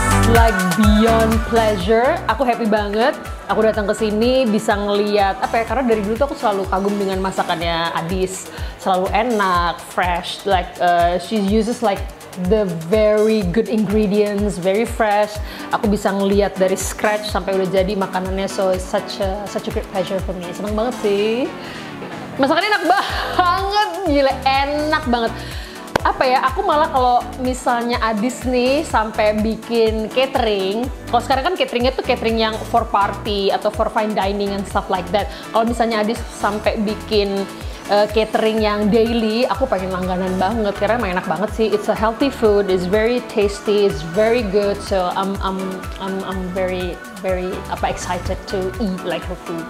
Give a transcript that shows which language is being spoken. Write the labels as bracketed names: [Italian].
[English] Like beyond pleasure, aku happy banget. [Indonesian] Aku datang ke sini bisa ngelihat apa ya? Karena dari dulu tuh aku selalu kagum dengan masakannya Adis, selalu enak, fresh. [English] Like she uses like the very good ingredients, very fresh. [Indonesian] Aku bisa ngelihat dari scratch sampai udah jadi makanannya. [English] So such a great pleasure for me. [Indonesian] Seneng banget sih. Masakannya enak banget, gila enak banget. Apa ya, aku malah kalau misalnya Adis nih sampai bikin catering, kalau sekarang kan cateringnya tuh catering yang for party atau [English] for fine dining and stuff like that. [Indonesian] Kalau misalnya Adis sampai bikin catering yang daily, aku pengen langganan banget karena emang enak banget sih. [English] It's a healthy food, it's very tasty, it's very good. So I'm very very apa excited to eat like her food.